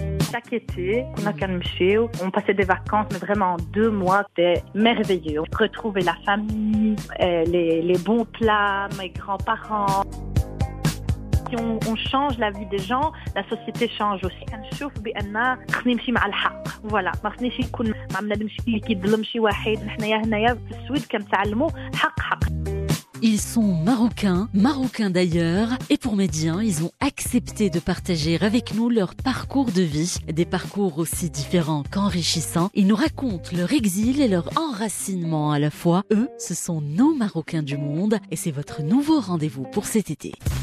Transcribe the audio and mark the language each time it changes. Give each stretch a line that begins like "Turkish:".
French: Chaque été, on a calmé, on passait des vacances, mais vraiment 2 mois, c'était merveilleux. On retrouvait la famille, les bons plats, mes grands-parents. Si on change la vie des gens, la société change aussi. On voit que nous sommes avec le droit.
Arabic: Voilà, ما خصنيش يكون ما عملنا نمشي اللي كيظلم شي واحد حنايا هنايا في السويد كنتعلموا حق حق.
French: Ils sont marocains, marocains d'ailleurs, et pour Médien, ils ont accepté de partager avec nous leur parcours de vie, des parcours aussi différents qu'enrichissants. Ils nous racontent leur exil et leur enracinement à la fois. Eux, ce sont nos Marocains du monde, et c'est votre nouveau rendez-vous pour cet été.